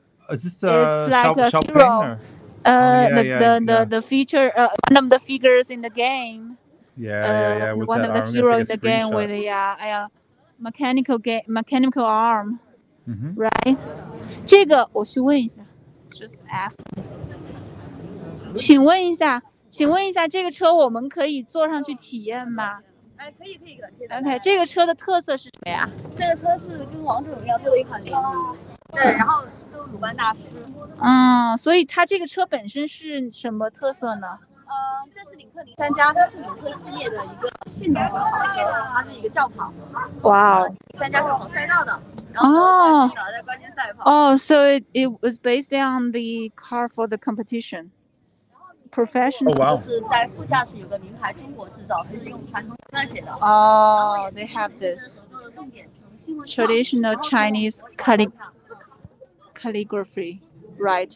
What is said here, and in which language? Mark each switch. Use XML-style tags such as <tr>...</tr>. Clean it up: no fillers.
<en>Is this the shop hero? The feature one of the figures in the game. Yeah. One of the heroes in the game with the mechanical arm, right?</en> <zh>这个我去问一下。</zh> <en>Just ask.</en> <zh>请问一下，这个车我们可以坐上去体验吗？哎，可以的。 OK， 这个车的特色是什么呀？这个车是跟王者荣耀做了一款联名，对，然后跟鲁班大师。嗯，所以它这个车本身是什么特色呢？这是领克零三加，它是领克系列的一个性能型跑车，它是一个轿跑。哇哦！零三加是跑赛道的。</zh> <en>Oh, so it was based on the car for the competition. Professional. Oh, wow. Oh, they have this. Traditional Chinese calligraphy, right?</en>